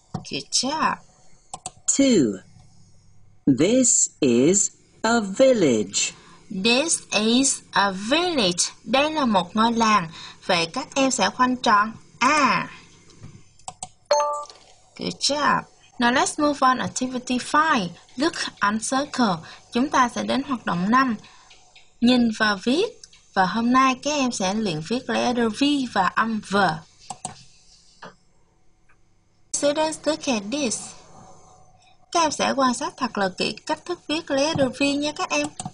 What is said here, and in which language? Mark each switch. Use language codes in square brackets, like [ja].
[en] Good job. 2. This is a village. This is a village. [vi] Đây là một ngôi làng. Vậy các em sẽ khoanh tròn A. [en] Good job. Now let's move on activity 5. Look and circle. [vi] Chúng ta sẽ đến hoạt động 5. Nhìn và viết. Và hôm nay các em sẽ luyện viết letter V và âm V. [en] Students look at this. [vi] Các em sẽ quan sát thật là kỹ cách thức viết letter V nha các em.